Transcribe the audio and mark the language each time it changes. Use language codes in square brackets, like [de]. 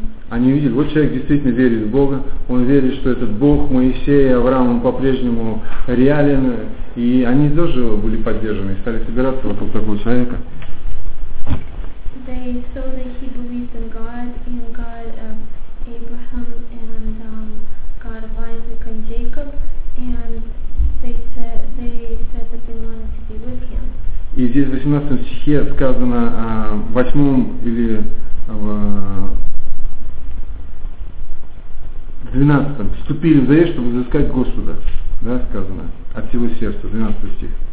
[ru] Они видели, вот человек действительно верит в Бога, он верит, что этот Бог, Моисей, Авраам, он по-прежнему реален, и они тоже были поддержаны, стали собираться вокруг такого человека. [en] They saw that he believed in God of Abraham and God of Isaac and Jacob, and they said that they wanted to be with him. [ru] И здесь в 18 стихе сказано, в 8 или в 12 вступили в завет, чтобы взыскать Господа, да, сказано, от всего сердца, 12 стих.